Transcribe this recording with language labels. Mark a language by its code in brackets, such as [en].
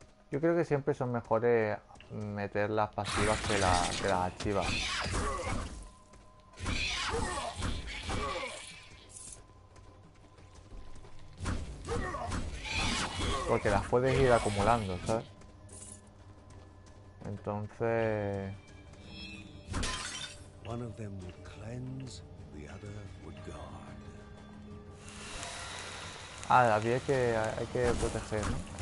[es] Yo creo que siempre son mejores meter las pasivas que las activas. Porque las puedes ir acumulando, ¿sabes? Entonces. [en] One of them would cleanse, the other would guard. [es] Ah, había que hay que proteger, ¿no?